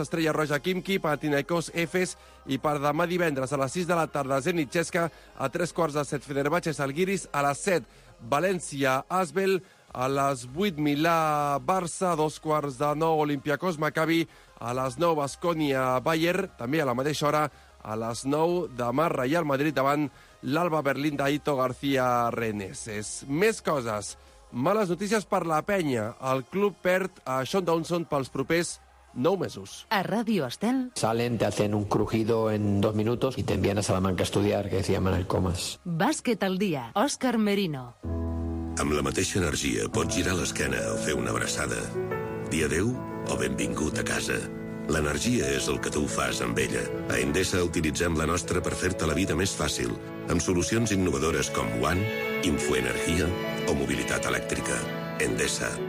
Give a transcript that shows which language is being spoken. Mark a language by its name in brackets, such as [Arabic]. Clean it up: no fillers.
[Catalan] Estrella Roja, Kimki, Panathinaikos, Efes, i per demà divendres a les 6 de la tarda, Zenit, Xesca, a 3 quarts de 7, Fenerbahçe, Salguiris, a les 7, València, Asbel, a les 8, Milà, Barça, 2 quarts de 9, Olympiakos, Maccabi, a les 9, Baskonia, Bayern, també a la mateixa hora, a les 9, demà, Real Madrid, davant l'Alba Berlín d'Aito García Reneses. Més coses. Males notícies per la penya. El club perd a Sean Dawson pels propers 9 mesos. A Radio Estel. [Spanish] Salen, te hacen un crujido en 2 minutos y te envían a Salamanca a estudiar, que decía Manuel Comas. [Catalan] Bàsquet al dia. Òscar Merino. Amb la mateixa energia pots girar l'esquena o fer una abraçada. Dia adéu o benvingut a casa. L'energia és el que tu fas amb ella. A Endesa utilitzem la nostra per fer-te la vida més fàcil, amb solucions innovadores com One, Infoenergia o Mobilitat Elèctrica. Endesa.